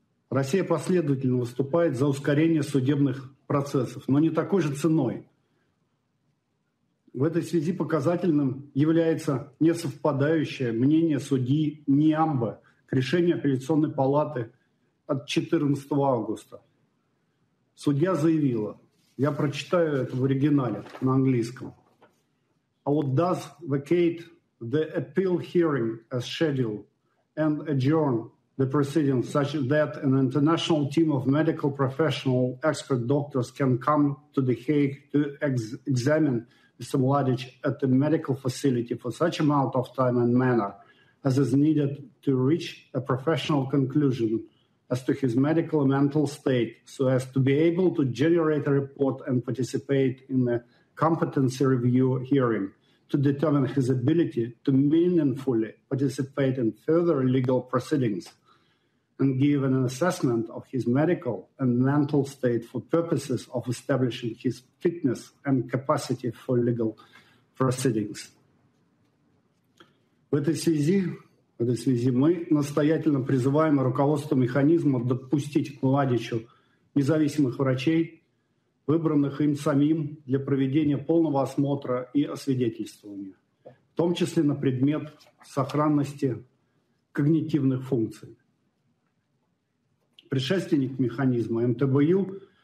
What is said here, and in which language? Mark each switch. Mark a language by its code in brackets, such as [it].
[ru] Россия последовательно выступает за ускорение судебных процессов, но не такой же ценой. В этой связи показательным является несовпадающее мнение судьи Ниамбе к решению апелляционной палаты от 14 августа. Судья заявила, я прочитаю это в оригинале на английском, [en] «I would thus vacate the appeal hearing as scheduled and adjourn the proceedings such that an international team of medical professional expert doctors can come to The Hague to examine Mr. Mladic at the medical facility for such amount of time and manner as is needed to reach a professional conclusion as to his medical and mental state so as to be able to generate a report and participate in a competency review hearing to determine his ability to meaningfully participate in further legal proceedings and give an assessment of his medical and mental state for purposes of establishing his fitness and capacity for legal proceedings. [ru] В этой связи мы настоятельно призываем руководство механизма допустить к Младичу независимых врачей, выбранных им самим для проведения полного осмотра и освидетельствования, в том числе на предмет сохранности когнитивных функций. Предшественник механизма МТБУ